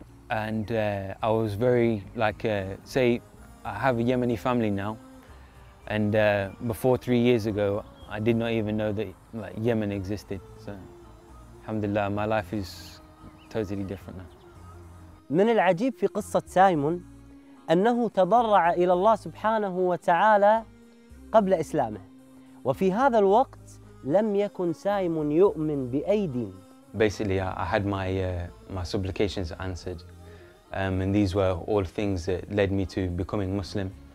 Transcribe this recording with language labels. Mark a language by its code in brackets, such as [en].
[en] and I was very, like, say, I have a Yemeni family now, and before 3 years ago, I did not even know that like Yemen existed. So, alhamdulillah, my life is totally different now. [ar] من العجيب في قصة سايمون أنه تضرع إلى الله سبحانه وتعالى قبل إسلامه وفي هذا الوقت لم يكن سايم يؤمن بأي دين. [en] Basically, I had my supplications answered, and these were all things that led me to becoming Muslim.